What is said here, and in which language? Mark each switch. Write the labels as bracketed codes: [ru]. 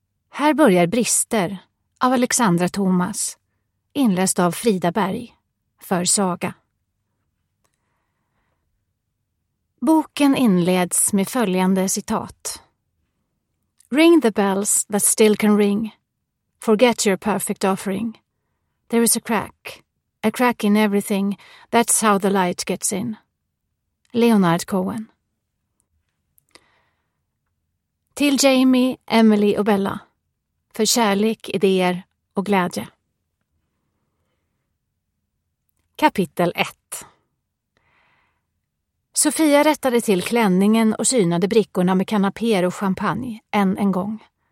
[sv] Här börjar Brister av Alexandra Thomas, inläst av Frida Berg, för Saga. Boken inleds med följande citat. [en] Ring the bells that still can ring. Forget your perfect offering. There is a crack in everything. That's how the light gets in. Leonard Cohen. [sv] Till Jamie, Emily och Bella. För kärlek, idéer och glädje. Kapitel 1. Sofia rättade till klänningen och synade brickorna med kanapéer och champagne en gång.